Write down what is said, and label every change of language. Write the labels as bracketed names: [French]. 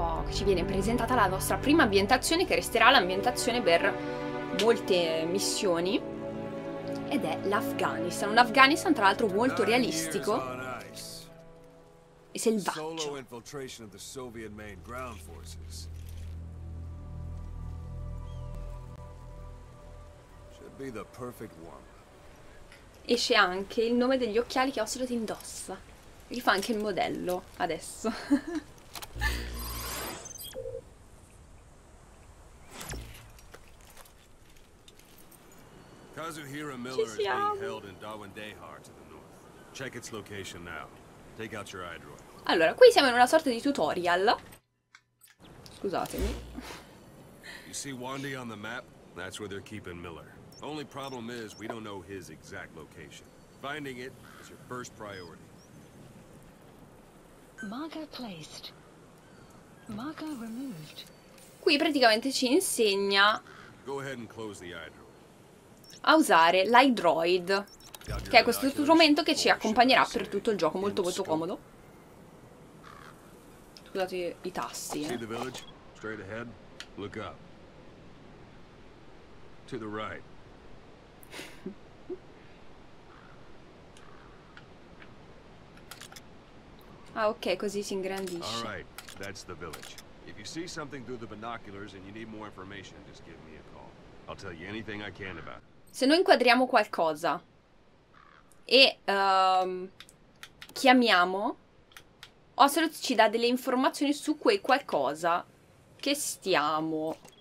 [Italian] Ci viene presentata la nostra prima ambientazione, che resterà l'ambientazione per molte missioni, ed è l'Afghanistan. Un Afghanistan tra l'altro molto realistico e selvaggio. [English] Solo infiltration of the Soviet main ground forces. be the perfect one. [Italian] Esce anche il nome degli occhiali che Ocelot indossa. Gli fa anche il modello adesso. [English] Kazuhira Miller is being held in Darwin Dehar to the north. Check its location now. Take out your eye droid. [Italian] Allora, qui siamo in una sorta di tutorial. Scusatemi. [English] You see Wandi on the map? That's where they're keeping Miller. Only problem is we don't know his exact location. Finding it is your first priority. Marker placed. Marker removed. [Italian] Qui praticamente ci insegna. [English] Go ahead and close the eye droid. [Italian] A usare l'eye droid, che è questo strumento che ci accompagnerà per tutto il gioco, molto molto comodo. Scusate i tassi. [English] See the village? Straight ahead. Look up. To the right. [Italian] Ah, ok, così si ingrandisce. [English] All right, that's the village. If you see something through the binoculars and you need more information, just give me a call. I'll tell you anything I can about. [Italian] Se noi inquadriamo qualcosa e chiamiamo, Ocelot ci dà delle informazioni su quel qualcosa che stiamo.